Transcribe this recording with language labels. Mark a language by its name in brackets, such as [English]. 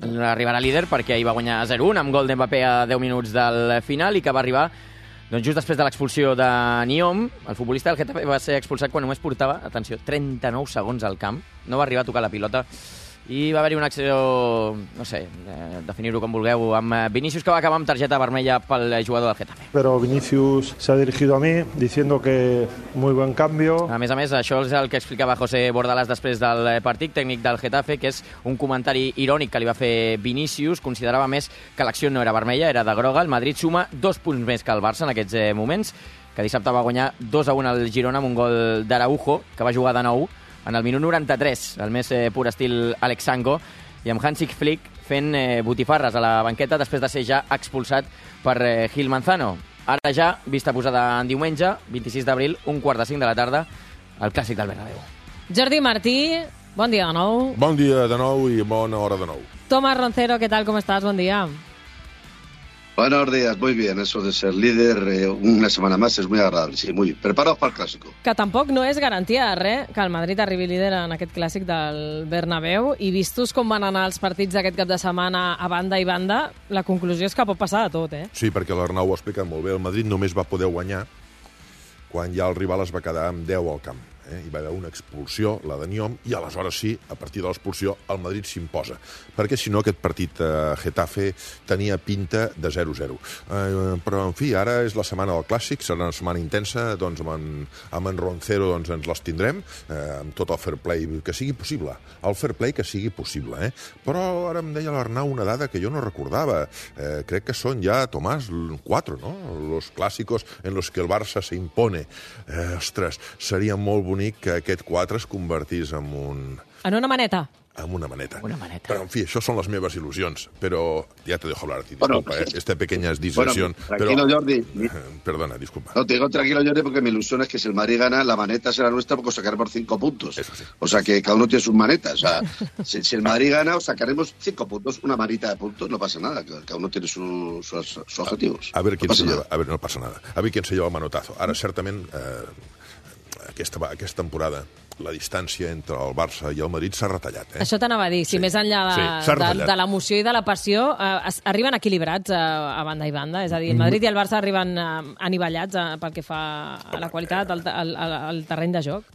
[Catalan] Arribarà líder perquè ahir va guanyar 0-1 amb gol d'Mbappé a 10 minuts del final i que va arribar... Doncs just després de l'expulsió de Niom, el futbolista del Getafe va ser expulsat quan només portava, atenció, 39 segons al camp. No va arribar a tocar la pilota. I va haver-hi una acció, no sé, definir-ho com vulgueu, amb Vinicius, que va acabar amb targeta vermella pel jugador del Getafe. [Spanish] Però Vinicius se ha dirigido a mí diciendo que muy buen cambio. [Catalan] A més, això és el que explicava José Bordalás després del partit, tècnic del Getafe, que és un comentari irònic que li va fer Vinicius. Considerava més que l'acció no era vermella, era de groga. El Madrid suma 2 punts més que el Barça en aquests moments, que dissabte va guanyar 2-1 al Girona amb un gol d'Araujo, que va jugar de nou en el minut 93, el més pur estil Alexango, i amb Hansi Flick fent botifarres a la banqueta després de ser ja expulsat per Gil Manzano. Ara ja, vista posada en diumenge, 26 d'abril, 4:45 de la tarda, el clàssic del Bernabéu. Jordi Martí, bon dia de nou. Bon dia de nou i bona hora de nou. Tomás Roncero, què tal, com estàs? Bon dia. [Spanish] Buenos días, muy bien. Eso de ser líder una semana más es muy agradable. Sí, muy bien. Preparados para el clásico. [Catalan] Que tampoc no és garantia de res que el Madrid arribi líder en aquest clàssic del Bernabéu. I vistos com van anar els partits d'aquest cap de setmana a banda i banda, la conclusió és que pot passar de tot, eh? Sí, perquè l'Arnau ho ha explicat molt bé. El Madrid només va poder guanyar quan ja el rival es va quedar amb 10 al camp. Hi va haver una expulsió, la de Niom, i aleshores sí, a partir de l'expulsió, el Madrid s'imposa. Perquè, si no, aquest partit Getafe tenia pinta de 0-0. Però, en fi, ara és la setmana del clàssic, serà una setmana intensa, doncs amb en Roncero doncs, ens les tindrem, amb tot el fair play que sigui possible. El fair play que sigui possible, eh? Però ara em deia l'Arnau una dada que jo no recordava. Crec que són ja, Tomàs, 4, no? [Spanish] Los clàssicos en los que el Barça se impone. [Catalan] Ostres, seria molt bonic que aquest 4 es convertís en un... En una maneta. En una maneta. Una maneta. Però, en fi, això són les meves il·lusions, però... [Spanish] Ja te dejo hablar a ti, disculpa, bueno, esta pequeña disversión. Bueno, tranquilo, pero... Jordi. Perdona, disculpa. No, te digo tranquilo, Jordi, porque mi ilusión es que si el Madrid gana, la maneta será nuestra porque sacaremos 5 puntos. Eso sí. O sea, que cada uno tiene sus manetas. O sea, si el Madrid gana, sacaremos 5 puntos, una manita de puntos, no pasa nada. Cada uno tiene sus objetivos. A ver quién no se lleva... A ver, no pasa nada. A ver quién se lleva el manotazo. [Catalan] Ara, certament... Aquesta temporada, la distància entre el Barça i el Madrid s'ha retallat. Eh? Això t'anava a dir, si sí, més enllà de l'emoció i de la passió, arriben equilibrats a banda i banda? És a dir, el Madrid i el Barça arriben anivellats pel que fa a la qualitat, al terreny de joc?